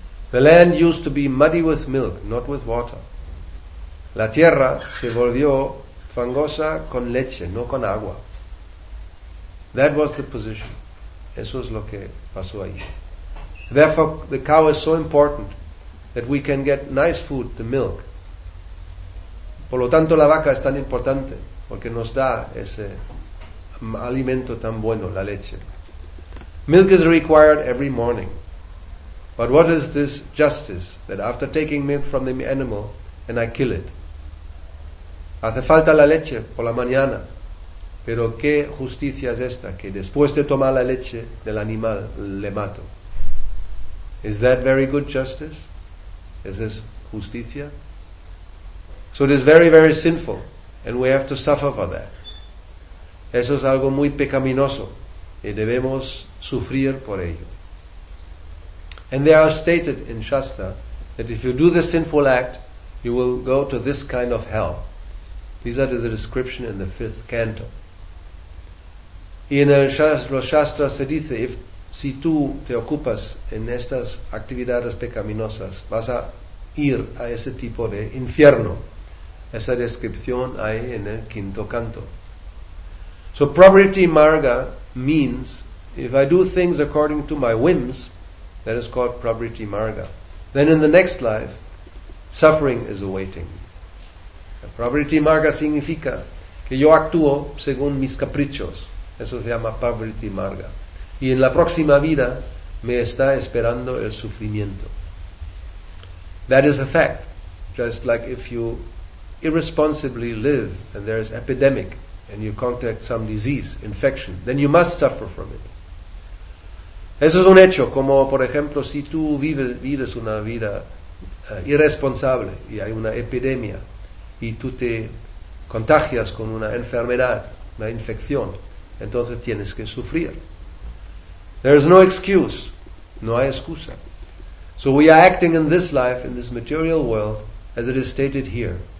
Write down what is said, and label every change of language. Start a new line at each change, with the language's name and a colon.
English: The land used to be muddy with milk, not with water.
Spanish: La tierra se volvió fangosa con leche, no con agua.
English: That was the position.
Spanish: Eso es lo que pasó ahí.
English: Therefore, the cow is so important that we can get nice food, the milk.
Spanish: Por lo tanto, la vaca es tan importante porque nos da ese alimento tan bueno, la leche.
English: Milk is required every morning. But what is this justice that after taking milk from the animal and I kill it?
Spanish: Hace falta la leche por la mañana. Pero qué justicia es esta, que después de tomar la leche del animal, le mato.
English: Is that very good justice?
Spanish: ¿Es eso justicia?
English: So it is very, very sinful, and we have to suffer for that.
Spanish: Eso es algo muy pecaminoso, y debemos sufrir por ello.
English: And there are stated in Shastra, that if you do this sinful act, you will go to this kind of hell. These are the description in the 5th canto.
Spanish: Y en los Shastras se dice, si tú te ocupas en estas actividades pecaminosas, vas a ir a ese tipo de infierno. Esa descripción hay en el 5th canto.
English: So Pravritti Marga means, if I do things according to my whims, that is called Pravritti Marga. Then in the next life, suffering is awaiting.
Spanish: Pravritti Marga significa que yo actúo según mis caprichos. Eso se llama Pravritti Marga. Y en la próxima vida me está esperando el sufrimiento.
English: That is a fact. Just like if you irresponsibly live and there is epidemic and you contract some disease, infection, then you must suffer from it.
Spanish: Eso es un hecho. Como por ejemplo, si tú vives una vida irresponsable y hay una epidemia y tú te contagias con una enfermedad, una infección, entonces tienes que sufrir.
English: There is no excuse.
Spanish: No hay excusa.
English: So we are acting in this life, in this material world, as it is stated here.